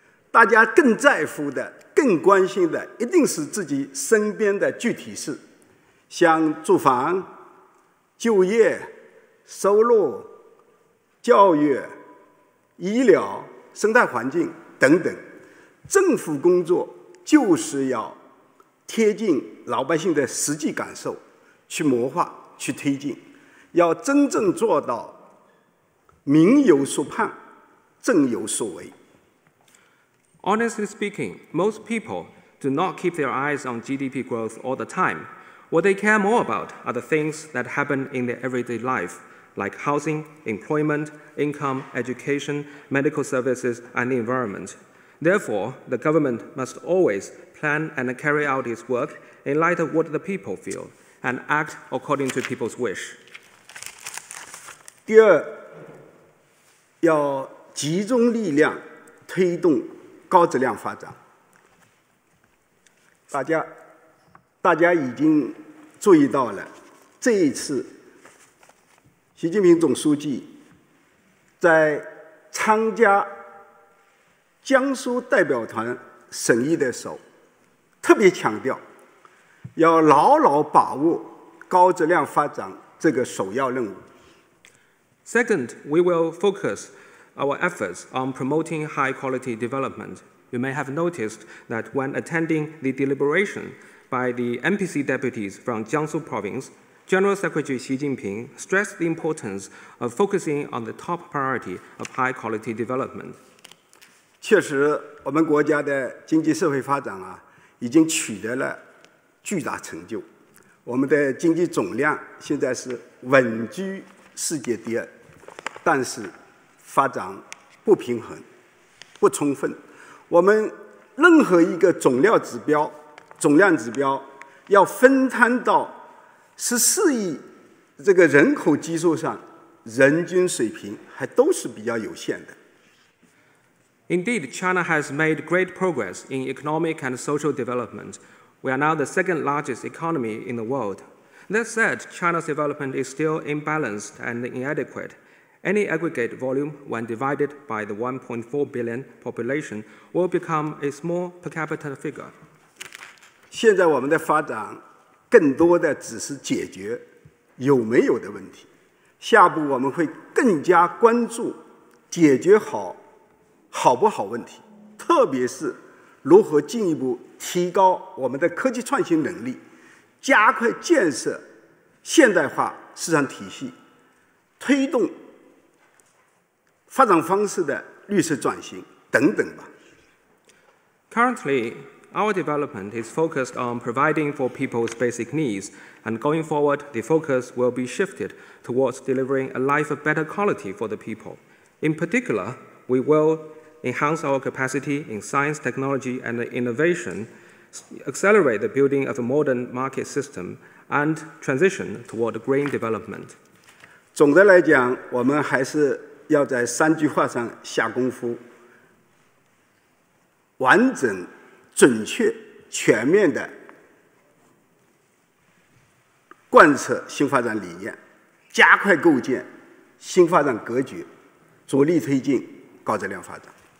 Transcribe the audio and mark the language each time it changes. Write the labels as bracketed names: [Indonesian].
[Chinese] 大家更在乎的、更关心的一定是自己身边的具体事，像住房、就业、收入、教育、医疗、生态环境等等，政府工作就是要贴近老百姓的实际感受，去谋划、去推进，要真正做到民有所盼，政有所为。 [English] Honestly speaking, most people do not keep their eyes on GDP growth all the time. What they care more about are the things that happen in their everyday life. Like housing, employment, income, education, medical services, and the environment. Therefore, the government must always plan and carry out its work in light of what the people feel and act according to people's wish. [Chinese] 第二，要集中力量推动高质量发展。大家已经注意到了，这一次习近平总书记在参加江苏代表团审议的时候，特别强调要牢牢把握高质量发展这个首要任务。 [English] Second, we will focus our efforts on promoting high quality development. You may have noticed that when attending the deliberation by the MPC deputies from Jiangsu province,General Secretary Xi Jinping stressed the importance of focusing on the top priority of high quality development. [Chinese] 确实，我们国家的经济社会发展啊，已经取得了巨大成就。我们的经济总量现在是稳居世界第二，但是发展不平衡、不充分。我们任何一个总量指标要分摊到14亿这个人口基数上，人均水平还都是比较有限的。 [English] Indeed, China has made great progress in economic and social development. We are now the second largest economy in the world. That said, China's development is still imbalanced and inadequate. Any aggregate volume, when divided by the 1.4 billion population, will become a small per capita figure. [Chinese] 现在我们的发展更多的只是解决有没有的问题，下步我们会更加关注解决好好不好问题，特别是如何进一步提高我们的科技创新能力，加快建设现代化市场体系，推动发展方式的绿色转型等等吧。 [English] Currently, our development is focused on providing for people's basic needs, and going forward, the focus will be shifted towards delivering a life of better quality for the people. In particular, we will enhance our capacity in science, technology, and innovation, accelerate the building of a modern market system, and transition toward green development. [Chinese] 总的来讲，我们还是要在三句话上下功夫，完整、准确、全面地贯彻新发展理念，加快构建新发展格局，着力推进高质量发展。